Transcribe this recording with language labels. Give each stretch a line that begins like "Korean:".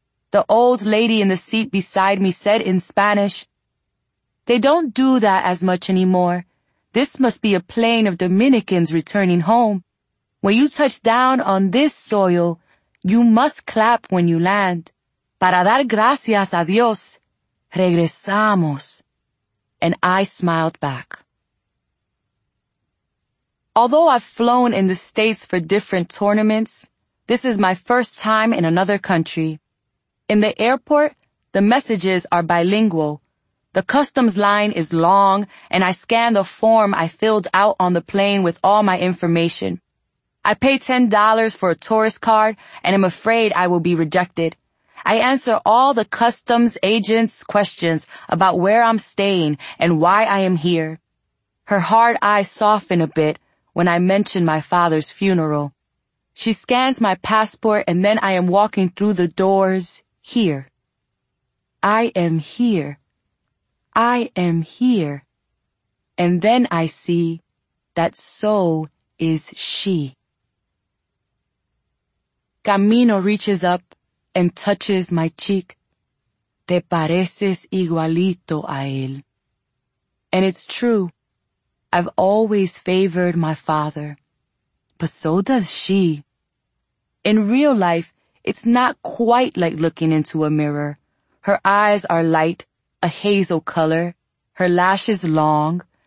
English: The old lady in the seat beside me said in Spanish, "They don't do that as much anymore. This must be a plane of Dominicans returning home. When you touch down on this soil, you must clap when you land.
Spanish: Para dar gracias a Dios, regresamos.
English: And I smiled back. Although I've flown in the States for different tournaments, this is my first time in another country. In the airport, the messages are bilingual. The customs line is long, and I scan the form I filled out on the plane with all my information. I pay $10 for a tourist card, and I'm afraid I will be rejected. I answer all the customs agent's questions about where I'm staying and why I am here. Her hard eyes soften a bit when I mention my father's funeral. She scans my passport, and then I am walking through the doors here. I am here. I am here. And then I see that so is she. Camino reaches up and touches my cheek.
Spanish: Te pareces igualito a él.
English: And it's true. I've always favored my father. But so does she. In real life, it's not quite like looking into a mirror. Her eyes are light, a hazel color. Her lashes long.